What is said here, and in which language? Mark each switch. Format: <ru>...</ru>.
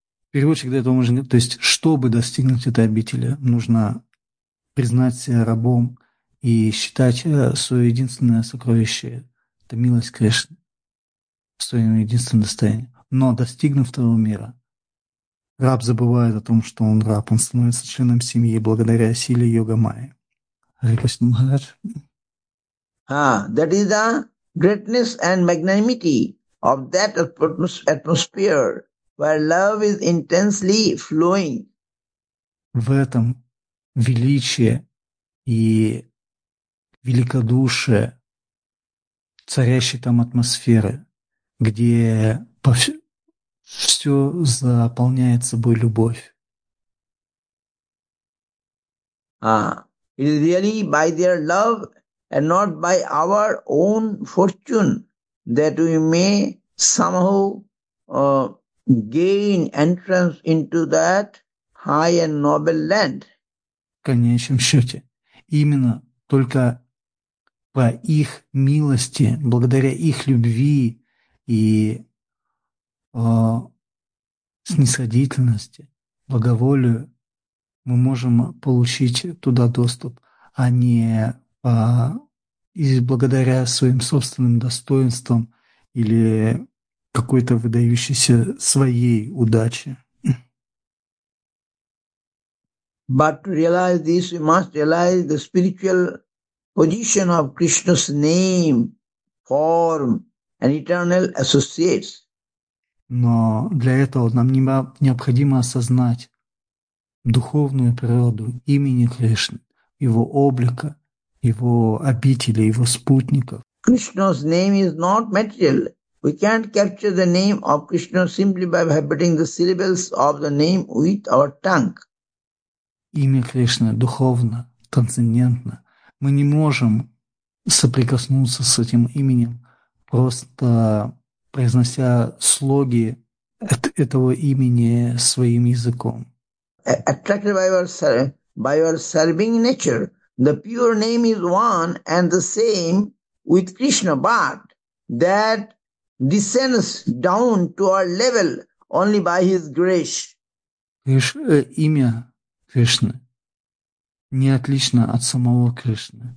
<ru>Переводчик для этого нужен. То есть, чтобы достигнуть этой обители, нужно признать себя рабом и считать свое единственное сокровище – это милость Кришны, свое единственное достояние. Но достигнув того мира, раб забывает о том, что он раб, он становится членом семьи благодаря силе йога майи.</ru> <en>Hare Krishna Maharaj. That is the greatness and magnanimity of that atmosphere where love is intensely flowing.</en> <ru>В этом величие и великодушие царящей там атмосферы, где все заполняет собой любовь.</ru> <en>It is really by their love and not by our own fortune that we may somehow gain entrance into that high and noble land.</en> <ru>В конечном счете, именно только по их милости, благодаря их любви и снисходительности, благоволю, мы можем получить туда доступ, а не благодаря своим собственным достоинствам или какой-то выдающейся своей удачи.</ru> <en>But to realize this, we must realize the spiritual position of Krishna's name, form, and eternal associates.</en> <ru>Но для этого нам необходимо осознать духовную природу имени Кришны, его облика, его обители, его спутников.</ru> <en>Krishna's name is not material. We can't capture the name of Krishna simply by vibrating the syllables of the name with our tongue.</en> <ru>Имя Кришны духовно, трансцендентно. Мы не можем соприкоснуться с этим именем, просто произнося слоги этого имени своим языком.</ru> <en>Attracted by our serving nature, the pure name is one and the same with Krishna, but that descends down to our level only by His grace.</en> <ru>Имя Кришны не отлично от самого Кришны.</ru>